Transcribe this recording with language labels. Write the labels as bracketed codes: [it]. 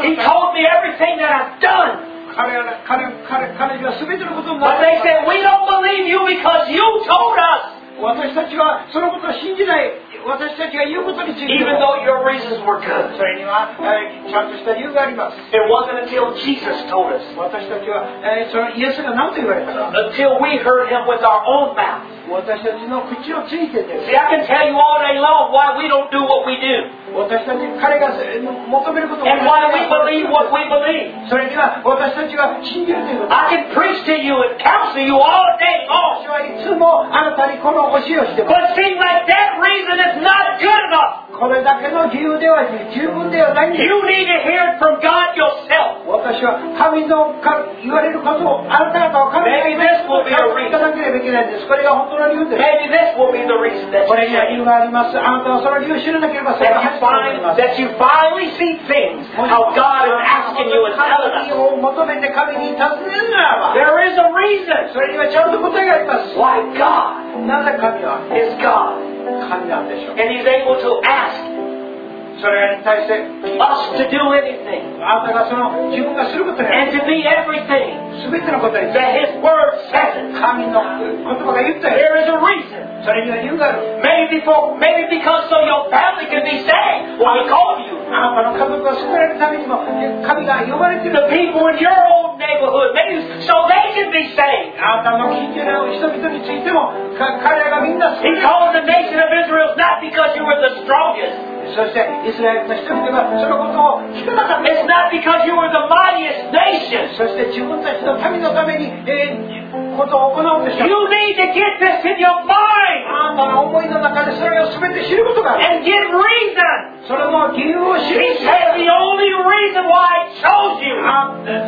[ja] ため。 [en] He told me everything that I've done. [ja] 彼女は全てのことになる。 [en] But they said, we don't believe you because you told us. [ja] 私たちはそのことを信じない私たちが言うことについて [en] Even though your reasons were good. [ja] それにはちゃんとした理由があります [en] It wasn't until Jesus told us. [ja] 私たちは、そのイエスが何と言われたか [en] Until we heard him with our own mouth. [ja] 私たちの口をついてて [en] See, I can tell you all day long why we don't do what we do. [ja] 私たち彼が求めることを [en] And why we believe what we believe. [ja] それには私たちが信じるということ [en] I can preach to you and counsel you all day long. [ja] 私はいつもあなたにこの教えをしてます [en] But see, like that reason is not good enough. [ja] これだけの理由では十分ではないんです。 [en] You need to hear from God yourself. [ja] 私は神の言われることをあなた方は神の言われることを聞かなければいけないんです。これが本当の理由です。 [en] Maybe this will be the reason that [ja] これには理由があります。あなたはその理由を知らなければ幸せです。 [en] That you finally see things how God is asking you and telling us. There is a reason. [ja] それにはちゃんと答えがあります。 [en] Why God? [ja] なぜ神は [en] is God. [ja] 神なんでしょう。 [en] And he's able to ask us to do anything. [ja] あなたがその自分がすることに。 [en] And to be everything. [ja] すべてのことに。 [en] That his word says. [ja] 神の言葉が言ってる。 [en] There is a reason. [ja] それには理由がある。 [en] Maybe because so your family can be saved when he called you. [ja] あなたの家族が救われるためにも神が呼ばれている。 [en] The people in your own neighborhood, maybe so they can be saved. [ja] あなたの近所の人々についても彼らがみんな救われる。 [en] He called the nation of Israel not because you were the strongest. [ja] そしてイスラエルの人々がそのことを聞かなかった。 [en] It's not because you were the mightiest nation. [ja] そして自分たちの民のために、ことを行うでしょう。 [en] You need to get this in your mind. [ja] あなたの思いの中でそれを全て知ることがある。 [en] And get reason. [ja] それも理由を知る。 [en] He said the only reason why I chose you.